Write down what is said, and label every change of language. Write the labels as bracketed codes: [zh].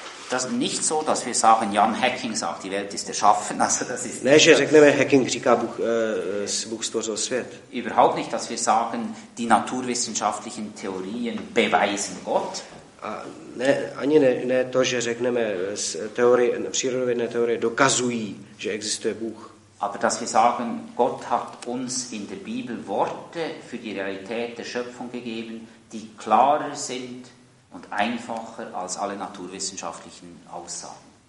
[de] Das nicht so, dass wir sagen, Jan Hacking sagt, die Welt ist erschaffen, also das ist. [cs] Ne, že řekneme, Hacking říká, Bůh stvořil svět. [de] Überhaupt nicht, dass wir sagen, die naturwissenschaftlichen Theorien beweisen Gott. [cs] A ne, ani ne to, že řekneme, přírodovědné teorie dokazují, že existuje Bůh. [de] Aber dass wir sagen, Gott hat uns in der Bibel Worte für die Realität der Schöpfung gegeben, die klarer sind und einfacher als alle naturwissenschaftlichen Aussagen.